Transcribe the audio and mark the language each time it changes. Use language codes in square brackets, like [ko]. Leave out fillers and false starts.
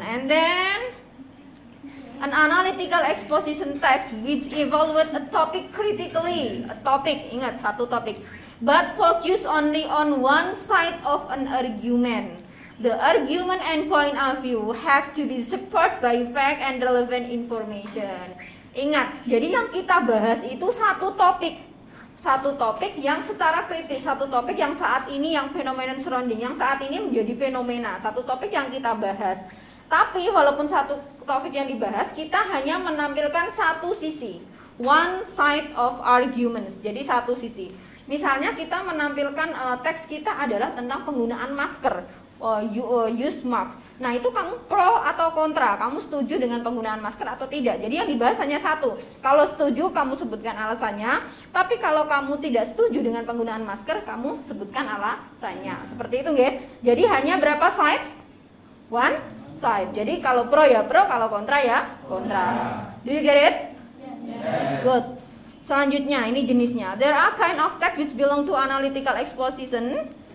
[en] And then, an analytical exposition text which evaluate a topic critically. A topic, [id] ingat, satu topik. [en] But focus only on one side of an argument. The argument and point of view have to be supported by fact and relevant information. [id] Ingat, jadi yang kita bahas itu satu topik yang secara kritis, satu topik yang saat ini yang [en] phenomenon surrounding, [id] yang saat ini menjadi fenomena, satu topik yang kita bahas. Tapi walaupun satu topik yang dibahas, kita hanya menampilkan satu sisi, [en] one side of arguments. [id] Jadi satu sisi. Misalnya kita menampilkan teks kita adalah tentang penggunaan masker. [en] Use mask. [id] Nah, itu kamu pro atau kontra? Kamu setuju dengan penggunaan masker atau tidak? Jadi yang dibahas hanya satu. Kalau setuju, kamu sebutkan alasannya. Tapi kalau kamu tidak setuju dengan penggunaan masker, kamu sebutkan alasannya. Seperti itu, nggih. Jadi hanya berapa side? [en] One side. [id] Jadi kalau pro ya pro, kalau kontra ya kontra. [en] Do you get it? Yes. Good. [id] Selanjutnya, ini jenisnya. [en] There are kind of text which belong to analytical exposition.